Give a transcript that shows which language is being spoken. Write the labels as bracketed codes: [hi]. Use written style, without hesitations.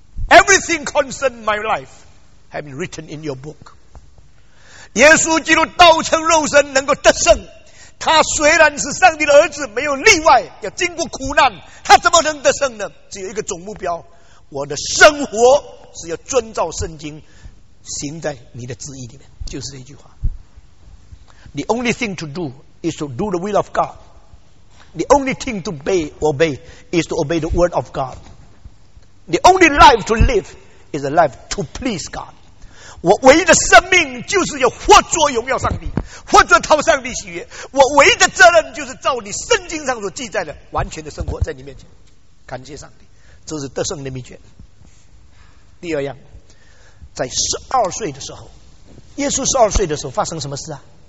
[en] Everything concerned my life have been written in your book. [zh] 耶稣基督道成肉身能够得胜，他虽然是上帝的儿子，没有例外，要经过苦难，他怎么能得胜呢？只有一个总目标，我的生活是要遵照圣经，行在你的旨意里面，就是这句话。 [en] The only thing to do is to do the will of God. The only thing to obey is to obey the word of God. The only life to live is a life to please God. [zh] 我唯一的生命就是要活作荣耀上帝，活作讨上帝喜悦。我唯一的责任就是照你圣经上所记载的完全的生活在你面前，感谢上帝，这是得胜的秘诀。第二样，在十二岁的时候，耶稣十二岁的时候发生什么事啊？